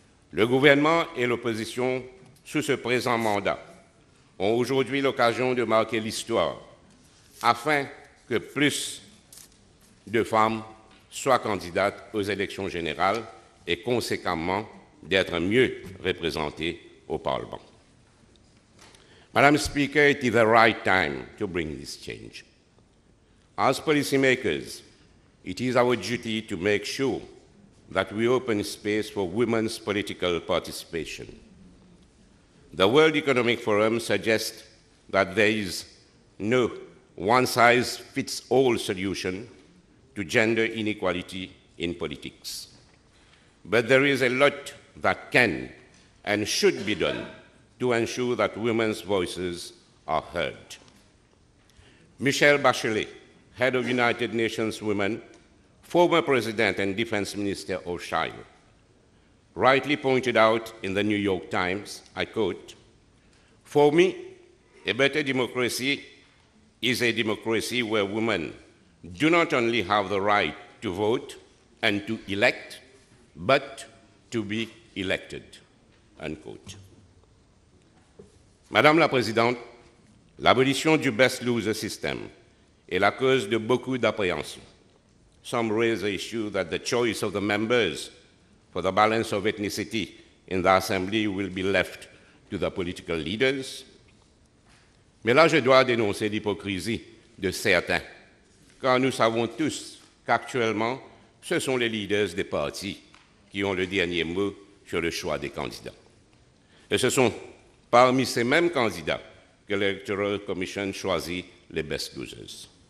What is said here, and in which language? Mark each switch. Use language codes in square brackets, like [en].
[fr] Le gouvernement et l'opposition, sous ce présent mandat, ont aujourd'hui l'occasion de marquer l'histoire afin que plus de femmes soient candidates aux élections générales et conséquemment d'être mieux représentées au Parlement. [en] Madam Speaker, it is the right time to bring this change. As policymakers, it is our duty to make sure that we open space for women's political participation. The World Economic Forum suggests that there is no one-size-fits-all solution to gender inequality in politics. But there is a lot that can and should be done to ensure that women's voices are heard. Michelle Bachelet, head of United Nations Women, former president and defense minister of Shire, rightly pointed out in the New York Times, I quote, "For me, a better democracy is a democracy where women do not only have the right to vote and to elect, but to be elected," unquote. [fr] Madame la Présidente, l'abolition du best-loser system est la cause de beaucoup d'appréhension. [en] Some raise the issue that the choice of the members for the balance of ethnicity in the Assembly will be left to the political leaders. [fr] Mais là, je dois dénoncer l'hypocrisie de certains, car nous savons tous qu'actuellement, ce sont les leaders des partis qui ont le dernier mot sur le choix des candidats. Et ce sont parmi ces mêmes candidats que l'Electoral Commission choisit les best losers.